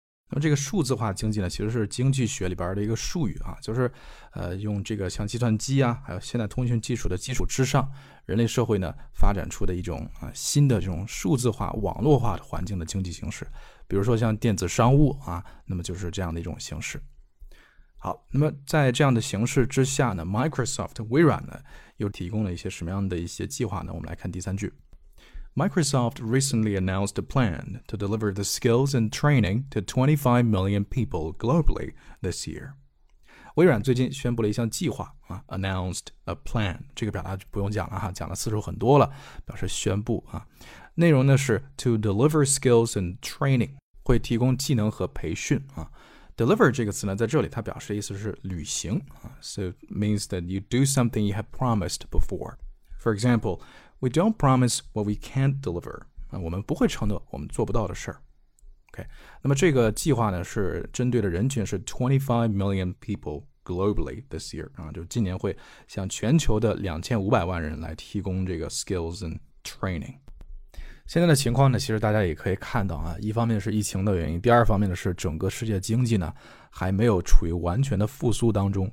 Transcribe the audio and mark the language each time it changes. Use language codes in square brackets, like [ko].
[zh] 那么这个数字化经济呢，其实是经济学里边的一个术语啊，就是用这个像计算机啊还有现代通讯技术的基础之上，人类社会呢发展出的一种啊新的这种数字化网络化的环境的经济形式，比如说像电子商务啊，那么就是这样的一种形式。好，那么在这样的形式之下呢， Microsoft 微软呢又提供了一些什么样的一些计划呢？我们来看第三句。 [en] Microsoft recently announced a plan to deliver the skills and training to 25 million people globally this year. [zh] 微软最近宣布了一项计划、啊、 [en] announced a plan， [zh] 这个表达不用讲了、啊、讲了次数很多了，表示宣布、啊、内容呢是 [en] to deliver skills and training， [zh] 会提供技能和培训、啊、deliver 这个词呢在这里它表示的意思是履行、啊、 [en] so means that you do something you have promised before. For example,We don't promise what we can't deliver. [zh] 我们不会承诺我们做不到的事儿。 Okay. 那么这个计划呢是针对的人群是 [en] 25 million people globally this year.、 [zh] 啊、就今年会向全球的2500万人来提供这个 [en] skills and training. [zh] 现在的情况呢其实大家也可以看到啊，一方面是疫情的原因，第二方面呢是整个世界经济呢还没有处于完全的复苏当中。